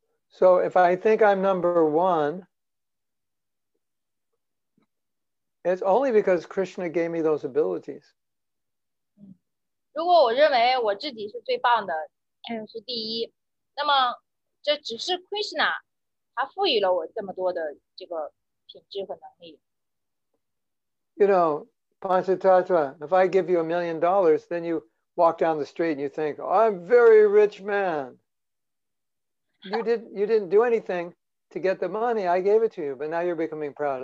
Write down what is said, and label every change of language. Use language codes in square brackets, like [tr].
[en] So if I think I'm number one,it's only because Krishna gave me those abilities. [zh] 如果我认为我自己是最棒的，是第一，那么这只是 Krishna 他赋予了我这么多的这个品质和能力。 [en] You know, Panchatattva, if I give you $1,000,000, then you walk down the street and you think, oh, I'm a very rich man. You didn't do anything. To get the money, I gave it to you, but now you're becoming proud.